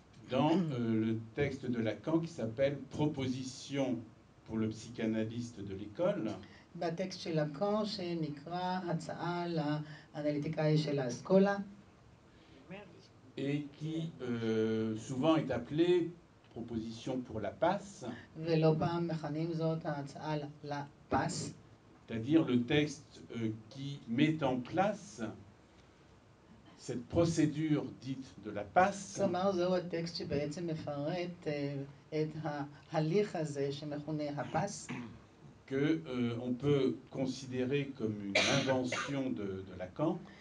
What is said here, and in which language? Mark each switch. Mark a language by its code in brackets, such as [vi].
[fr] Dans le texte de Lacan qui s'appelle « Proposition pour le psychanalyste de l'école ». [he] בטקסט של לקאן שנקרא הצעה לאנליטיקאי של האסכולה. [fr] Et qui souvent est appelé proposition pour la passe. [he] ולא פעם מכנים זאת הצעה לפס. [fr] C'est-à-dire le texte qui met en place cette procédure dite de la passe. [he] כלומר זהו הטקסט שבעצם מפרט את ההליך הזה שמכונה הפס. [fr] Que on peut considérer comme une invention de Lacan.